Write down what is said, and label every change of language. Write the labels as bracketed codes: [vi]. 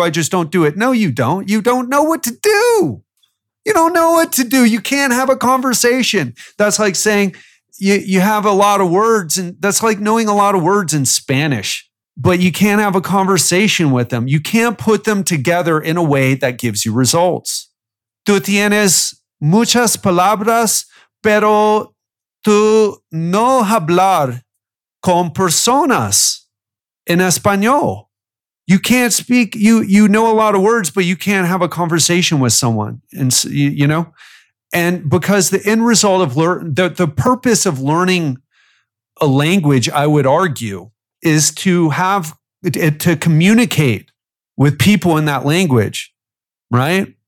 [en] I just don't do it. No, you don't. You don't know what to do. You don't know what to do. You can't have a conversation. That's like saying you have a lot of words, and that's like knowing a lot of words in Spanish, but you can't have a conversation with them. You can't put them together in a way that gives you results. [es] Tú tienes muchas palabras, pero tú no hablar con personas. en español. [en] You can't speak, you know a lot of words, but you can't have a conversation with someone, and you know? And because the end result of the purpose of learning a language, I would argue, is to have to communicate with people in that language, right?